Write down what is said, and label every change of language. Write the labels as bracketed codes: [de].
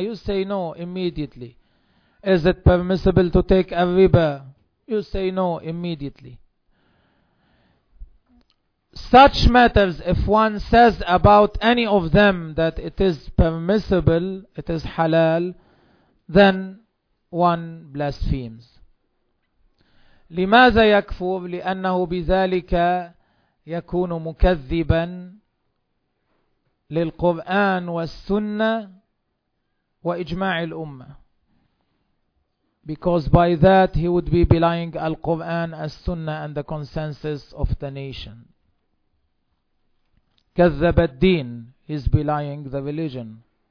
[en] You say no immediately. Is it permissible to take a riba? You say no immediately. Such matters, if one says about any of them that it is permissible, it is halal, then one blasphemes. [ar] لماذا يكفر؟ لأنه بذلك يكون مكذبا للقرآن والسنة وإجماع الأمة. [en] Because by that he would be belying Al-Quran, As-Sunnah and the consensus of the nation. [ar] كذب الدين, [en] he's belying the religion.